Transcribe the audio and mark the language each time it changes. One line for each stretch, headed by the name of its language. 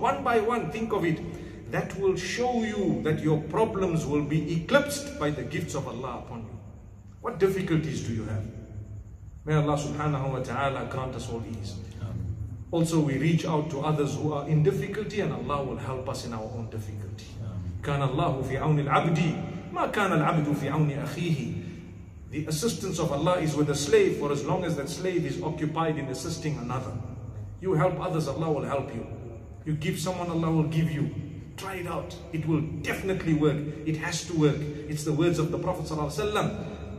English: One by one, think of it. That will show you that your problems will be eclipsed by the gifts of Allah upon you. What difficulties do you have? May Allah subhanahu wa ta'ala grant us all ease. Amen. Also, we reach out to others who are in difficulty and Allah will help us in our own difficulty.
Arabic: كان الله في عون العبد ما كان العبد في عون أخيه.
English: The assistance of Allah is with a slave for as long as that slave is occupied in assisting another. You help others, Allah will help you. You give someone, Allah will give you. Try it out. It will definitely work. It has to work. It's the words of the Prophet sallallahu alaihi wasallam.